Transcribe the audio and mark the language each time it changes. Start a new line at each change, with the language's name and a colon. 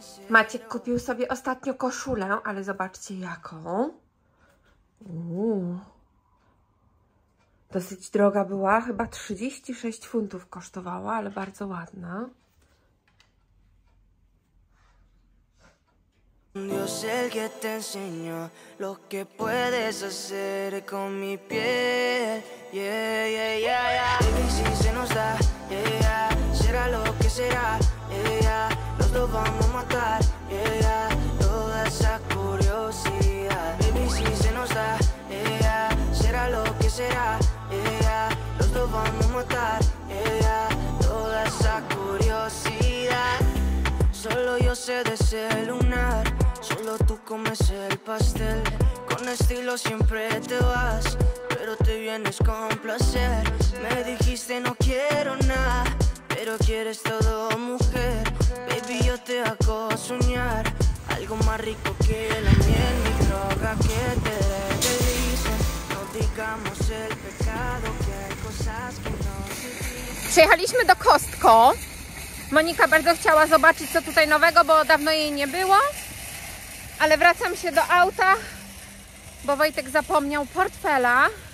Polish: Maciek kupił sobie ostatnio koszulę, ale zobaczcie jaką. Dosyć droga była, chyba 36 funtów kosztowała, ale bardzo ładna.
Spanish: Dios el que te enseñó lo que puedes hacer con mi piel. Yeah, yeah, yeah, yeah. Baby, si se nos da, yeah, yeah. Será lo que será, yeah, yeah. Los dos vamos a matar, yeah, yeah. Toda esa curiosidad. Baby, si se nos da, yeah, yeah. Será lo que será, yeah, yeah. Los dos vamos a matar, yeah, yeah. Toda esa curiosidad. Solo yo sé de ese lunar. Solo tú comes el pastel. Con estilo siempre te vas, pero te vienes con placer. Me dijiste no quiero nada, pero quieres todo mujer. Baby, yo te hago soñar algo más rico que la miel. Mi droga que te dicen, no digamos el pecado, que hay cosas que no se dicen.
Polish: Przyjechaliśmy do Costco. Monika bardzo chciała zobaczyć co tutaj nowego, bo dawno jej nie było. Ale wracam się do auta, bo Wojtek zapomniał portfela.